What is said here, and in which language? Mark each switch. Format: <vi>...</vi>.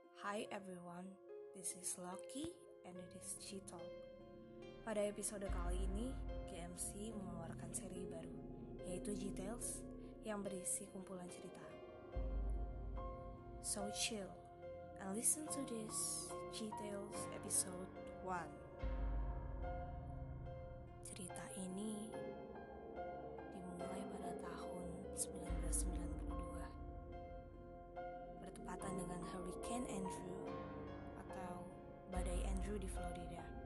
<en>Hi everyone, this is Lucky and it is Chitalk.</en> <id>Pada episode kali ini, GMC mengeluarkan seri baru, yaitu G-Tales, yang berisi kumpulan cerita.</id> <en>So chill and listen to this G-Tales episode 1.</en> <id>Cerita ini dimulai pada tahun 1992. Bertepatan dengan Hurricane Andrew atau Badai Andrew di Florida.</id>